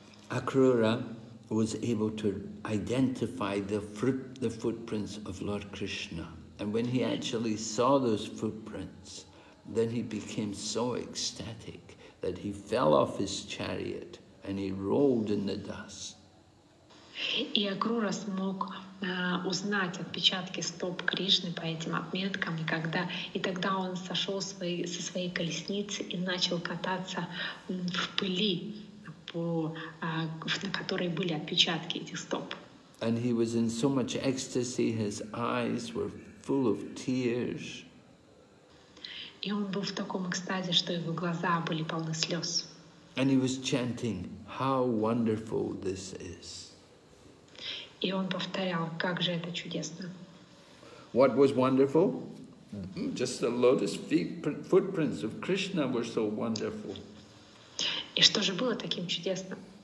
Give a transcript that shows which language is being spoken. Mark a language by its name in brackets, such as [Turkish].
[English] Акрура was able to identify the footprints of Lord Krishna. And when he actually saw those footprints, then he became so ecstatic that he fell off his chariot and he rolled in the dust. [Russian] И Акрура смог узнать отпечатки стоп Кришны по этим отметкам, и тогда он сошел со своей колесницы и начал кататься в пыли, на которой были отпечатки этих стоп. [English] And he was in so much ecstasy, his eyes were full of tears. [Russian] И он был в таком экстазе, что его глаза были полны слез. [English] And he was chanting, "How wonderful this is!" [Russian] И он повторял, как же это чудесно. [English] What was wonderful? Just the lotus feet footprints of Krishna were so wonderful. [Russian] И что же было таким чудесным?